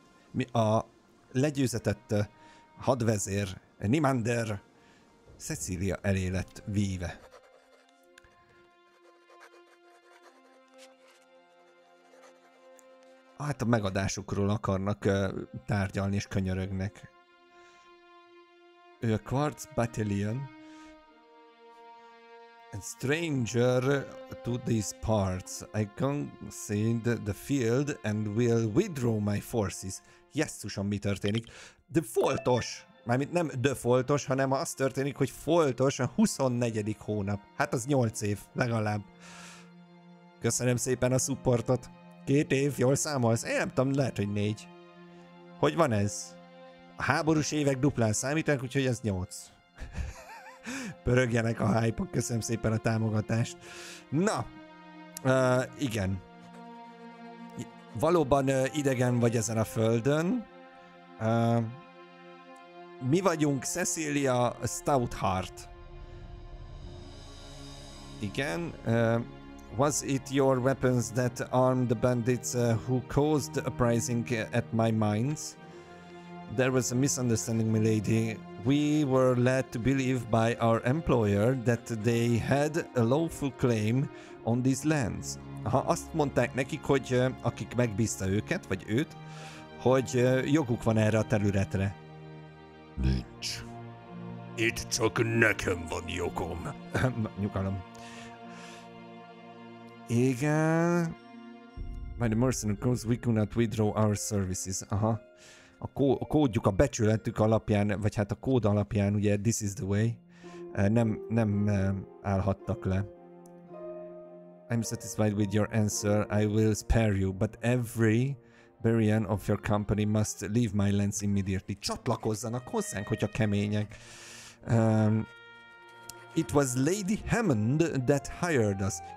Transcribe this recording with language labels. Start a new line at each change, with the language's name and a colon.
Hungarian: Mi a legyőzetett hadvezér Nimander Cecilia elé lett víve. Hát a megadásukról akarnak tárgyalni és könyörögnek. Ő a Quartz Battalion.
English: A stranger to these parts. I concede the field and will withdraw my forces.
Hungarian: Jesszusom, mi történik? The Foltos! Mármint nem The Foltos, hanem az történik, hogy Foltos a 24. hónap. Hát az 8 év, legalább. Köszönöm szépen a supportot. 2 év, jól számolsz? Én nem tudom, lehet, hogy 4. Hogy van ez? A háborús évek duplán számítanak, úgyhogy ez 8. Pörögjenek a hype-ok, köszönöm szépen a támogatást. Na, igen. Valóban idegen vagy ezen a földön. Mi vagyunk Cecilia Stoutheart. Igen.
English: Was it your weapons that armed the bandits who caused the uprising at my mines? There was a misunderstanding, milady. We were led to believe by our employer that they had a lawful claim on these lands.
Hungarian: Ha azt mondták nekik, hogy akik megbízta őket, vagy őt, hogy joguk van erre a területre. Nincs. Itt csak nekem van jogom. Nyugalom. Igen.
English: By the mercenary cause we could not withdraw our services. Aha.
Hungarian: A kódjuk, a becsületük alapján, vagy hát a kód alapján, ugye,
English: this is the way.
Hungarian: nem állhattak le.
English: I'm satisfied with your answer. I will spare you, but every Berian of your company must leave my lands immediately.
Hungarian: Csatlakozzanak hozzánk, hogyha kemények.
English: It was Lady Hammond that hired us.